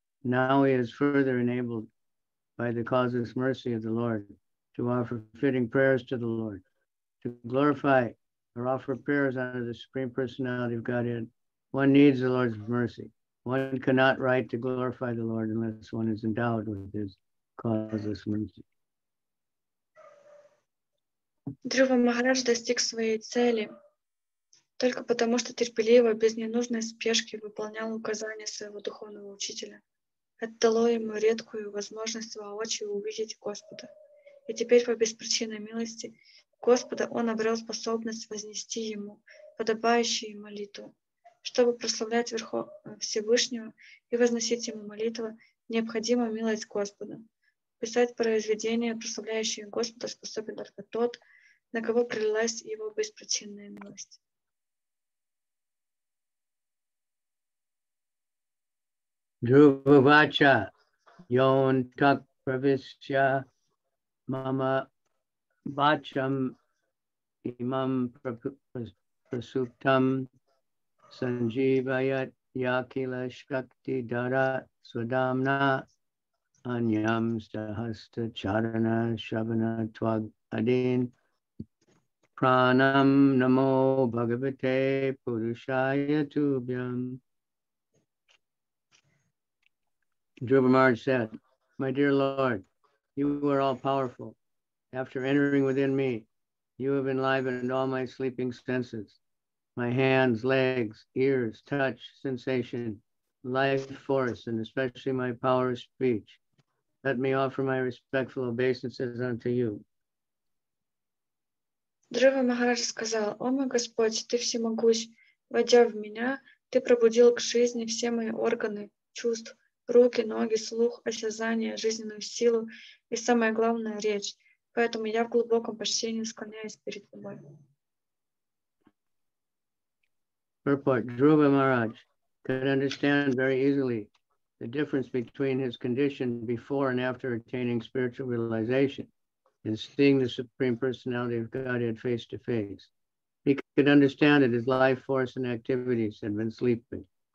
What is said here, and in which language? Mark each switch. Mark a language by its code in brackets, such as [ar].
[en] Now he is further enabled by the causeless mercy of the Lord to offer fitting prayers to the Lord, to glorify or offer prayers under the Supreme Personality of Godhead. One needs the Lord's mercy. One cannot write to glorify the Lord unless one is endowed with his causeless mercy. [ru] Dhruva Mahārāja достиг своей цели только потому, что терпеливо, без ненужной спешки выполнял указания своего духовного учителя. Это дало ему редкую возможность воочию увидеть Господа. И теперь по беспричинной милости Господа он обрел способность вознести ему подобающую молитву. Чтобы прославлять Всевышнего и возносить ему молитву, необходима милость Господа. Писать произведения, прославляющие Господа, способен только тот, на кого пролилась его беспричинная милость. [sa] Дхрувача йон так правишча мама вачам Imam prasuptam sanjivayat yakila shakti dara swadamna anyam sahasta charana shravana twag adin pranam namo bhagavate purushaya tubhyam. [en] Dhruva Maharaj said, my dear Lord, you are all powerful. After entering within me, you have enlivened all my sleeping senses. My hands, legs, ears, touch, sensation, life force, and especially my power of speech. Let me offer my respectful obeisances unto you. [ru] Дхрува Махараджа сказал: «О мой Господь, Ты всемогущ, войдя в меня, Ты пробудил к жизни все мои органы, чувств, руки, ноги, слух, осязание, жизненную силу и, самое главное, речь. Поэтому я в глубоком почтении склоняюсь перед Тобой». [en] Purport. Dhruva Maharaja could understand very easily the difference between his condition before and after attaining spiritual realization and seeing the Supreme Personality of Godhead face to face. He could understand that his life force and activities had been sleeping.